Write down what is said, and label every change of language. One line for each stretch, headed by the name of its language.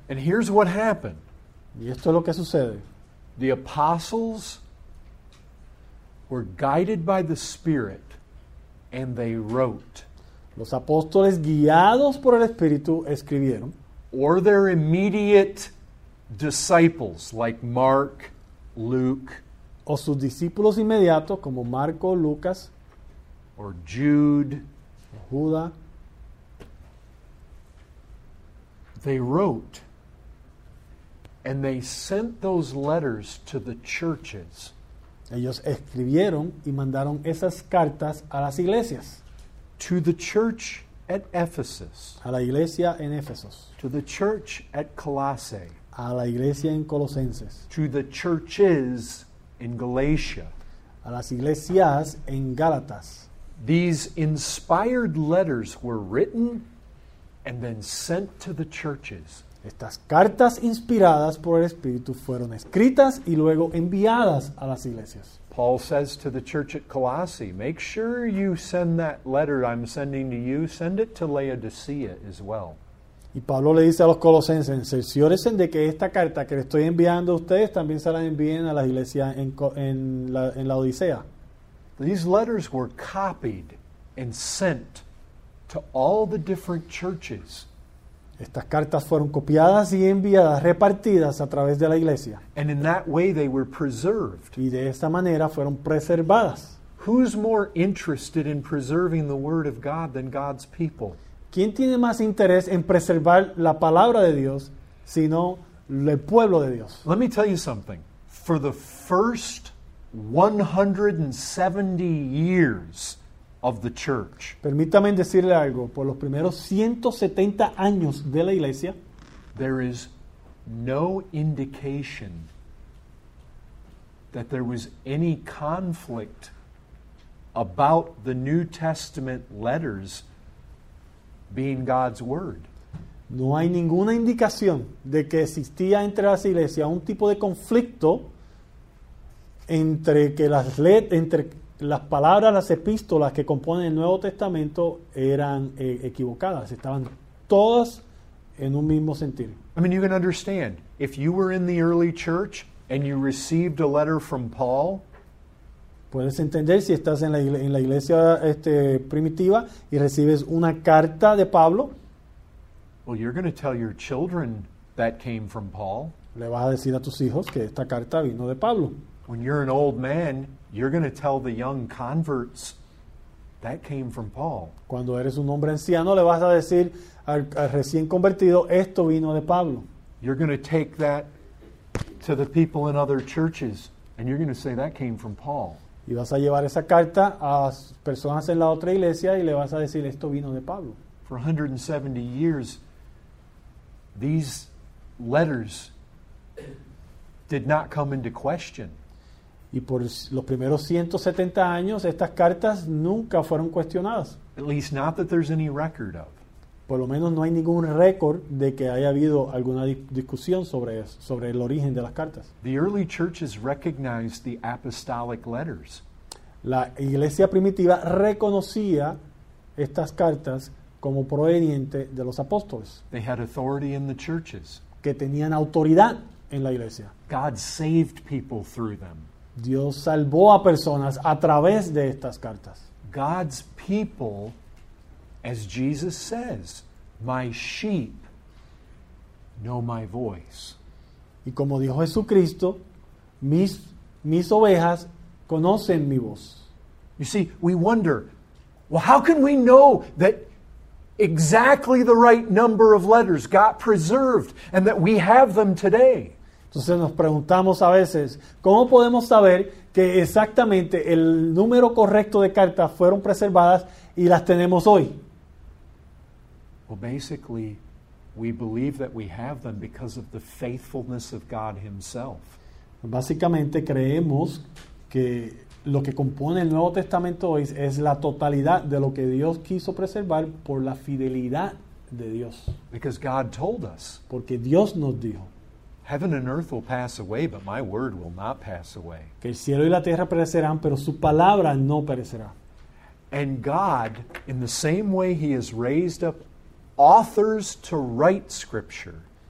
English: And here's what happened.
Spanish: Y esto es lo que sucede.
English: The apostles were guided by the Spirit and they wrote.
Spanish: Los apóstoles guiados por el Espíritu escribieron.
English: Or their immediate disciples like Mark, Luke.
Spanish: O sus discípulos inmediatos como Marco, Lucas.
English: Or Jude.
Spanish: Judas.
English: They wrote and they sent those letters to the churches.
Spanish: Ellos escribieron y mandaron esas cartas a las iglesias.
English: To the church at Ephesus.
Spanish: A la iglesia en Éfesos.
English: To the church at Colossae.
Spanish: A la iglesia en Colosenses.
English: To the churches in Galatia.
Spanish: A las iglesias en Gálatas.
English: These inspired letters were written and then sent to the churches.
Spanish: Estas cartas inspiradas por el Espíritu fueron escritas y luego enviadas a las iglesias.
English: Paul says to the church at Colossae, make sure you send that letter I'm sending to you, send it to Laodicea as well.
Spanish: Y Pablo le dice a los colosenses, cerciórense de que esta carta que le estoy enviando a ustedes también se la envíen a las iglesias en la Odisea.
English: These letters were copied and sent to all the different churches.
Spanish: Estas cartas fueron copiadas y enviadas, repartidas a través de la iglesia.
English: And in that way they were preserved.
Spanish: Y de esta manera fueron preservadas.
English: Who's more interested in preserving the word of God than God's people?
Spanish: ¿Quién tiene más interés en preservar la palabra de Dios sino el pueblo de Dios?
English: Let me tell you something. For the first 170 years of the church.
Spanish: Permítame decirle algo. Por los primeros 170 años de la iglesia,
English: there is no indication that there was any conflict about the New Testament letters being God's word.
Spanish: No hay ninguna indicación de que existía entre las iglesias un tipo de conflicto entre que las palabras, las epístolas que componen el Nuevo Testamento eran equivocadas, estaban todas en un mismo sentir.
English: I mean, you can understand if you were in the early church and you received a letter from Paul.
Spanish: Puedes entender si estás en la iglesia primitiva y recibes una carta de Pablo.
English: Well, you're going to tell your children that came from Paul.
Spanish: Le vas a decir a tus hijos que esta carta vino de Pablo.
English: When you're an old man, you're going to tell the young converts that came from Paul.
Spanish: Cuando eres un hombre anciano, le vas a decir al recién convertido, esto vino de Pablo.
English: You're going to take that to the people in other churches, and you're going to say that came from Paul.
Spanish: Y vas a llevar esa carta a personas en la otra iglesia y le vas a decir, esto vino de Pablo.
English: For 170 years, these letters did not come into question.
Spanish: Y por los primeros 170 años, estas cartas nunca fueron cuestionadas.
English: At least not that there's any record of.
Spanish: Por lo menos no hay ningún récord de que haya habido alguna discusión sobre eso, sobre el origen de las cartas.
English: The early churches recognized the apostolic letters.
Spanish: La iglesia primitiva reconocía estas cartas como proveniente de los apóstoles.
English: They had authority in the churches.
Spanish: Que tenían autoridad en la iglesia.
English: God saved people through them.
Spanish: Dios salvó a personas a través de estas cartas.
English: God's people, as Jesus says, my sheep know my voice.
Spanish: Y como dijo Jesucristo, mis ovejas conocen mi voz.
English: You see, we wonder, well, how can we know that exactly the right number of letters got preserved and that we have them today?
Spanish: Entonces nos preguntamos a veces, ¿cómo podemos saber que exactamente el número correcto de cartas fueron preservadas y las tenemos hoy?
English: Well, basically, we believe that we have them because of the faithfulness of God himself.
Spanish: Básicamente creemos que lo que compone el Nuevo Testamento hoy es la totalidad de lo que Dios quiso preservar por la fidelidad de Dios.
English: Because God told us.
Spanish: Porque Dios nos dijo.
English: Heaven and earth will pass away, but my word will not pass away.
Spanish: Que el cielo y la tierra perecerán, pero su palabra no perecerá.
English: And God, in the same way he has raised up authors to write scripture.